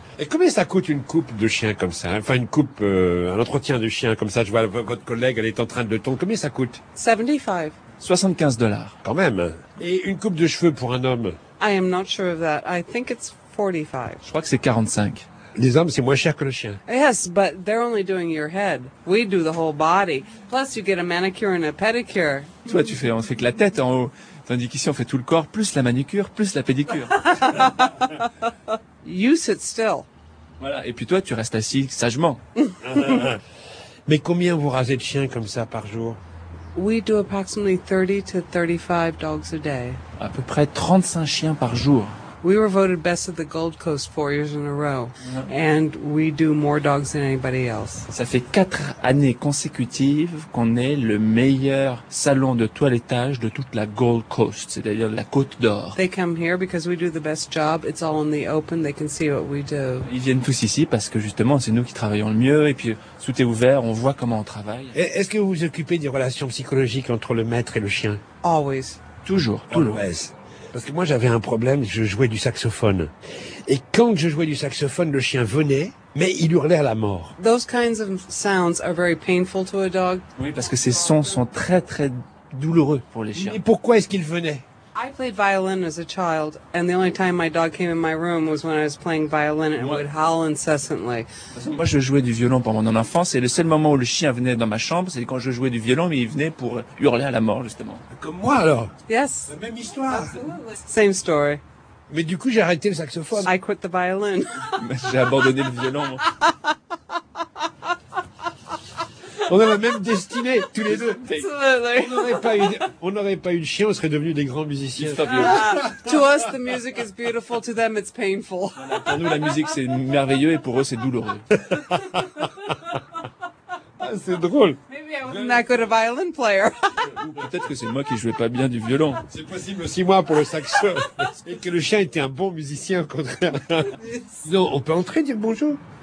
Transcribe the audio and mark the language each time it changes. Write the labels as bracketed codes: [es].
[fr] Et combien ça coûte une coupe de chien comme ça? Enfin, une coupe, un entretien de chien comme ça. Je vois votre collègue, elle est en train de tondre. Combien ça coûte? 75. [en] $75. [fr] Quand même. Et une coupe de cheveux pour un homme? [en] I am not sure of that. I think it's 45. [fr] Je crois que c'est 45. Les hommes, c'est moins cher que le chien. [en] Yes, but they're only doing your head. We do the whole body. Plus, you get a manicure and a pedicure. [fr] Toi, on fait que la tête en haut. Tandis qu'ici, on fait tout le corps, plus la manucure, plus la pédicure. [en] You sit still. [fr] Voilà, et puis toi, tu restes assis sagement. Mais combien vous rasez de chiens comme ça par jour? [en] We do approximately 30 to 35 dogs a day. [fr] À peu près 35 chiens par jour. [en] We were voted best of the Gold Coast 4 years in a row. And we do more dogs than anybody else. [fr] Ça fait 4 années consécutives qu'on est le meilleur salon de toilettage de toute la Gold Coast, c'est-à-dire la Côte d'Or. [en] They come here because we do the best job. It's all in the open. They can see what we do. [fr] Ils viennent tous ici parce que justement, c'est nous qui travaillons le mieux. Et puis, tout est ouvert. On voit comment on travaille. Et est-ce que vous vous occupez des relations psychologiques entre le maître et le chien? [en] Always. [fr] Toujours. [en] Always. [fr] Parce que moi, j'avais un problème, je jouais du saxophone. Et quand je jouais du saxophone, le chien venait, mais il hurlait à la mort. [en] Those kinds of sounds are very painful to a dog. [fr] Oui, parce que ces sons sont très, très douloureux pour les chiens. Et pourquoi est-ce qu'il venait? [en] I played violin as a child, and the only time my dog came in my room was when I was playing violin and would howl incessantly. [fr] Moi, je jouais du violon pendant mon enfance, et le seul moment où le chien venait dans ma chambre, c'est quand je jouais du violon, mais il venait pour hurler à la mort, justement. Comme moi, alors? [en] Yes. [fr] La même histoire. [en] Absolutely. Same story. [fr] Mais du coup, j'ai arrêté le saxophone. [en] I quit the violin. [fr] J'ai abandonné le violon. On a la même destinée, tous les deux. [en] Absolutely. [fr] On n'aurait pas eu de chien, on serait devenus des grands musiciens. [en] To us, the music is beautiful. To them, it's painful. [fr] Voilà, pour nous, la musique, c'est merveilleux, et pour eux, c'est douloureux. C'est drôle. [en] Maybe I wasn't that good a violin player. [fr] Peut-être que c'est moi qui jouais pas bien du violon. C'est possible aussi moi pour le saxo. Et que le chien était un bon musicien au contraire. Non, on peut entrer dire bonjour.